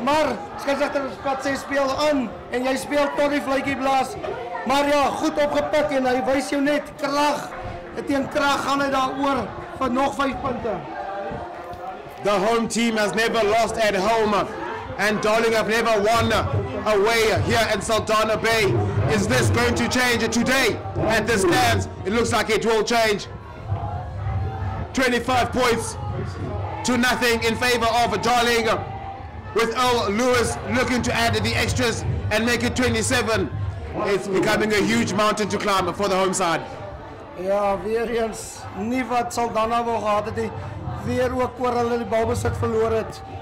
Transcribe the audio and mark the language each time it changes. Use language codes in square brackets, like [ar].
[af] Maar, skeidsrechter vat sy speel aan en jy speel tot die vluitjie blaas. Maar ja, goed opgepik en hy wys jou net krag. Teen krag gaan hy daar oor vir nog 5 punte. [en] The home team has never lost at home. And Darling have never won away here in Saldanha Bay. Is this going to change today at the stands? It looks like it will change. 25 points to nothing in favor of Darling, with Earl Lewis looking to add the extras and make it 27. It's becoming a huge mountain to climb for the home side. [af] Yeah, weer eens nie wat Saldanha wou gehad het nie. Weer ook oor hulle die bal besit verloor het.